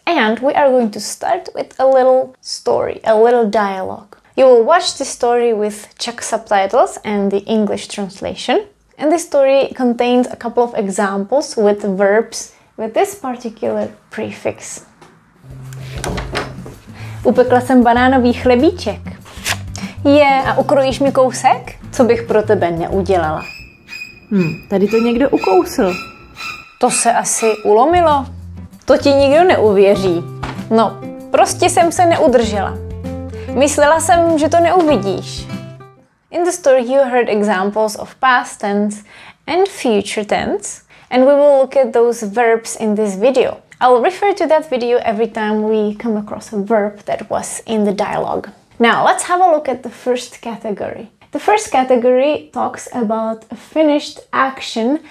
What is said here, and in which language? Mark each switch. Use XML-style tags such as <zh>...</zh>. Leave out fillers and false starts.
<en>And we are going to start with a little story, a little dialogue. You will watch the story with Czech subtitles and the English translation. And this story contains a couple of examples with verbs with this particular prefix.</en> <cs>Upekla jsem banánový chlebíček. Je, a ukrojíš mi kousek? Co bych pro tebe neudělala? Tady to někdo ukousl. To se asi ulomilo. To ti nikdo neuvěří. No, prostě jsem se neudržela. Myslela jsem, že to neuvidíš.</cs> <en>In the story you heard examples of past tense and future tense. And we will look at those verbs in this video. I'll refer to that video every time we come across a verb that was in the dialogue. Now, let's have a look at the first category. The first category talks about a finished action.</en>